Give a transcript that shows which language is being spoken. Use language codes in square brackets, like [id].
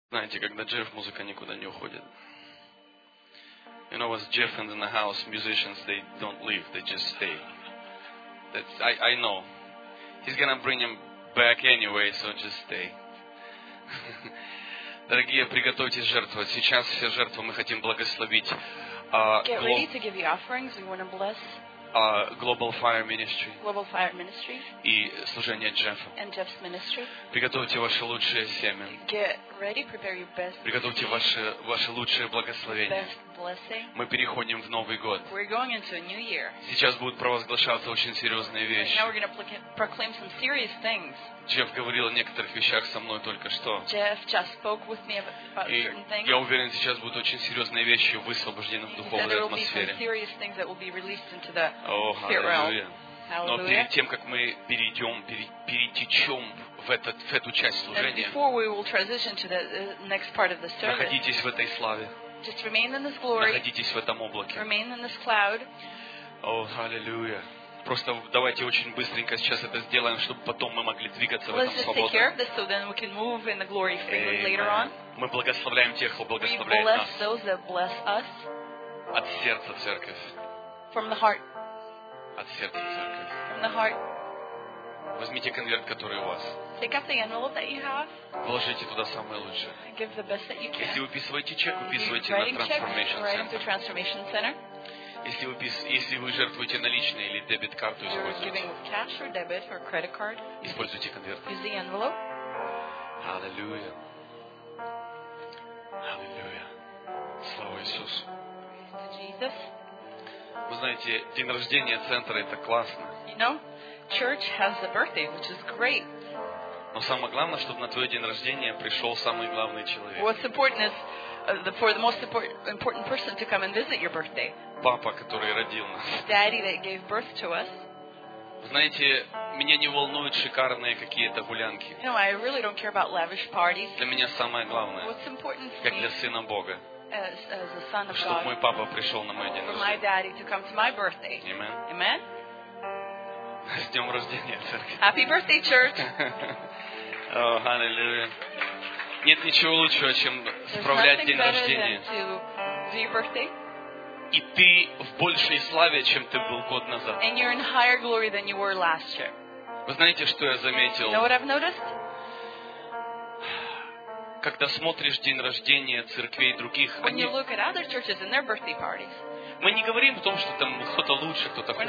[ru] Знаете, когда Джефф, музыка никуда не уходит. [en] You know, with Jeff and in the house, musicians, they don't leave, they just stay. I know. He's gonna bring him back anyway, so just stay. [ru] Дорогие, приготовьтесь жертвовать. Сейчас все жертвы мы хотим благословить. [en] Get ready to give you offerings. We want to bless Global Fire Ministry. Global Fire Ministry. [ru] И служение Джеффа. [en] And Jeff's ministry. [ru] Приготовьте ваше лучшее семя. [en] Get ready, prepare your best. [ru] Приготовьте ваше лучшее благословение. [en] Best blessing. [ru] Мы переходим в новый год. [en] We're going into a new year. [ru] Сейчас будут провозглашаться очень серьезные вещи. [en] Now we're going to proclaim some serious things. [ru] Джефф говорил о некоторых вещах со мной только что. [en] Jeff just spoke with me about certain things. [ru] Я уверен, сейчас будут очень серьезные вещи высвобождены в духовной атмосфере. [en] Serious things that will be released into the spirit realm. [ru] Но перед тем, как мы перетечем в эту часть служения, [en] before we will transition to the next part of the service, [ru] находитесь в этой славе. [en] Just remain in this glory. [ru] Находитесь в этом облаке. [en] Remain in this cloud. [ru] О, аллилуйя. Просто давайте очень быстренько сейчас это сделаем, чтобы потом мы могли двигаться в этом свободно. Мы благословляем тех, кто благословляет нас. От сердца церковь. [en] From the heart. [ru] От сердца церковь. [en] From the heart. [ru] Возьмите конверт, который у вас. [en] Take out the envelope that you have. [ru] Вложите туда самое лучшее. [en] Give the best that you can. [ru] Если вы выписываете чек, выписывайте на Transformation Center. [en] Write to Transformation Center. [ru] Если вы жертвуете наличные или дебет-карту, используйте. [en] Giving with cash or debit or credit card. [ru] Используйте конверт. [en] Use the envelope. [ru] Аллилуйя. Аллилуйя. Слава Иисусу. [en] To Jesus. [ru] Вы знаете, день рождения центра это классно. [en] You know, church has a birthday, which is great. [ru] Но самое главное, чтобы на твой день рождения пришел самый главный человек. [en] What's important is for the most important person to come and visit your birthday. [ru] Папа, который родил нас. [en] Daddy that gave birth to us. [ru] Знаете, меня не волнуют шикарные какие-то гулянки. [en] You know, I really don't care about lavish parties. [ru] Для меня самое главное. [en] What's important for me? [ru] Как для сына Бога. [en] As the son of God. [ru] Чтобы мой папа пришел на мой день рождения. [en] For my daddy to come to my birthday. Amen. Amen. [ru] С днем рождения, церковь. [en] Happy birthday, church. [ru] О, аллилуйя. Нет ничего лучшего, чем справлять день рождения. И ты в большей славе, чем ты был год назад. [en] And you're in higher glory than you were last year. [ru] Вы знаете, что я заметил? [en] You know what I've noticed? [ru] Когда смотришь день рождения церквей других, [en] when you look at other churches and their birthday parties, [ru] мы не говорим о том, что там кто-то лучше, кто-то хуже.